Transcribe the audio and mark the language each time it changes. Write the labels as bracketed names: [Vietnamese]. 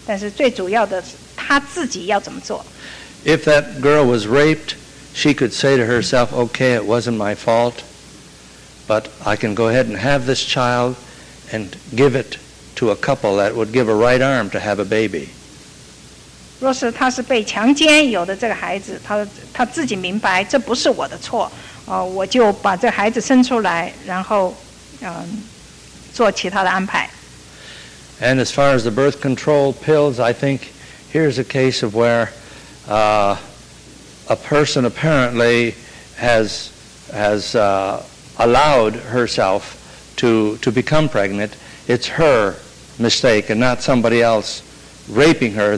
[Chinese] 常常他就会听别人的意见，他父母的意见呢，或者说教会的意见呢，但是最主要的是他自己要怎么做。 [English] If that girl was raped, she could say to herself, okay, it wasn't my fault, but I can go ahead and have this child and give it to a couple that would give a right arm to have a baby. [Chinese] 若是他是被强奸有的这个孩子，他自己明白这不是我的错，我就把这孩子生出来，然后做其他的安排。 [English] And as far as the birth control pills, I think here's a case of where a person apparently has allowed herself to become pregnant. It's her mistake and not somebody else raping her.